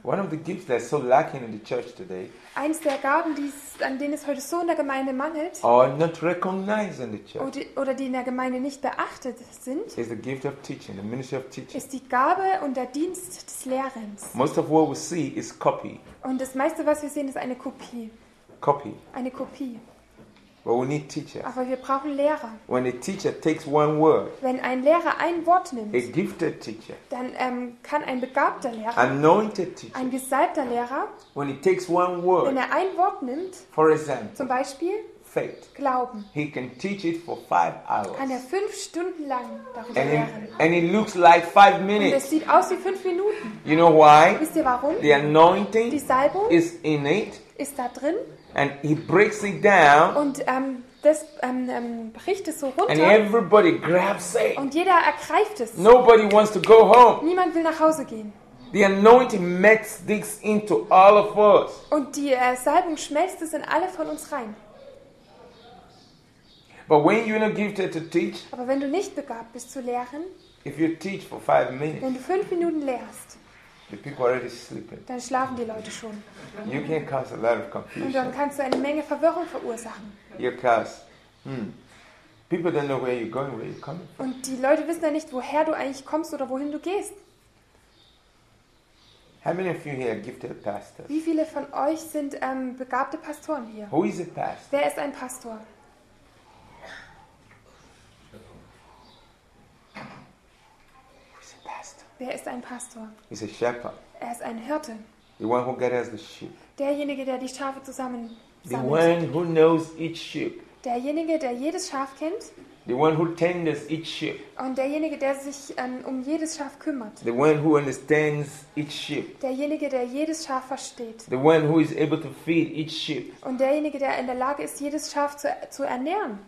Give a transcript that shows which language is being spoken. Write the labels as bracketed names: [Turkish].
[English] One of the gifts that's so lacking in the church today. [German] Eins der Gaben, an denen es heute so in der Gemeinde mangelt. [English] Or not recognized in the church. [German] Oder die in der Gemeinde nicht beachtet sind. [English] Is the gift of teaching, the ministry of teaching. [German] Ist die Gabe und der Dienst des Lehrens. [English] Most of what we see is copy. [German] Und das meiste, was wir sehen, ist eine Kopie. [English] Copy. [German] Eine Kopie. [English] But we need teachers. [German] Aber wir brauchen Lehrer. [English] When a teacher takes one word, [German] wenn ein Lehrer ein Wort nimmt, [English] a gifted teacher, [German] dann kann ein begabter Lehrer, [English] anointed teacher, [German] ein gesalbter Lehrer, [English] when he takes one word, [German] wenn er ein Wort nimmt, [English] for example, [German] zum Beispiel [English] faith, [German] Glauben, [English] he can teach it for 5 hours, [German] kann er 5 Stunden lang darüber [English] and [German] lehren. [English] And it looks like 5 minutes. [German] Und es sieht aus wie 5 Minuten. [English] You know why? [German] Wisst ihr warum? [English] The anointing, [German] die Salbung, [English] is innate, [German] ist da drin. [English] And he breaks it down. [German] Und bricht es so runter. [English] And everybody grabs it. [German] Und jeder ergreift es. [English] Nobody wants to go home. [German] Niemand will nach Hause gehen. [English] The anointing melts this into all of us. [German] Und die Salbung schmelzt es in alle von uns rein. [English] But when you're not gifted to teach. [German] Aber wenn du nicht begabt bist zu lehren. [English] If you teach for 5 minutes. [German] Wenn du 5 Minuten lehrst. [English] The people already sleeping. [German] Dann schlafen die Leute schon. [English] You can cause a lot of confusion. [German] Und dann kannst du eine Menge Verwirrung verursachen. [English] People don't know where you're going, where you're coming. [German] Und die Leute wissen ja nicht, woher du eigentlich kommst oder wohin du gehst. [English] How many of you here are gifted pastors? [German] Wie viele von euch sind begabte Pastoren hier? [English] Who is a pastor? [German] Wer ist ein Pastor? [English] Who is a pastor? [German] Wer ist ein Pastor? [English] He's a shepherd. [German] Er ist ein Hirte. [English] The one who gathers the sheep. [German] Derjenige, der die Schafe zusammen sammelt. [English] The one who knows each sheep. [German] Derjenige, der jedes Schaf kennt. [English] The one who tends each sheep. [German] Und derjenige, der sich um jedes Schaf kümmert. [English] The one who understands each sheep. [German] Derjenige, der jedes Schaf versteht. [English] The one who is able to feed each sheep. [German] Und derjenige, der in der Lage ist, jedes Schaf zu ernähren.